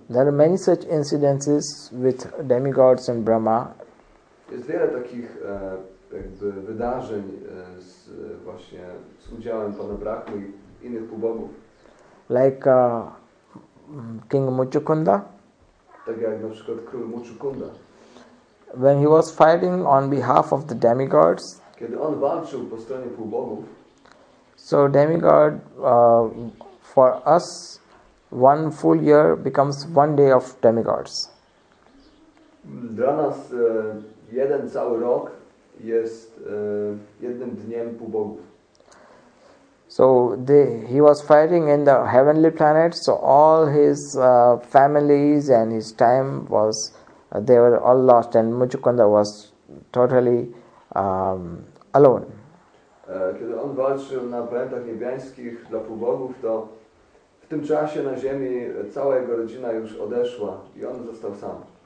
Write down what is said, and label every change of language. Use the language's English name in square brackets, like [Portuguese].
[English] There are many such incidences with demigods and Brahma. [Polish] Jest wiele takich jakby wydarzeń z właśnie z udziałem pana Brahmy i innych półbogów. [English] Like King Muchukunda. [Polish] Tak jak na przykład król Muchukunda. [English] When he was fighting on behalf of the demigods, [Polish] kiedy on walczył po stronie półbogów, [English] so demigod for us, 1 full year becomes 1 day of demigods. [Polish] Dla nas jeden cały rok jest jednym dniem półbogów. [English] So he was fighting in the heavenly planet, so all his families and his time was they were all lost, and Muchukunda was totally alone. [Polish] Kiedy on walczył na planetach niebiańskich dla półbogów, to w tym czasie na Ziemi cała jego rodzina już odeszła i on został sam.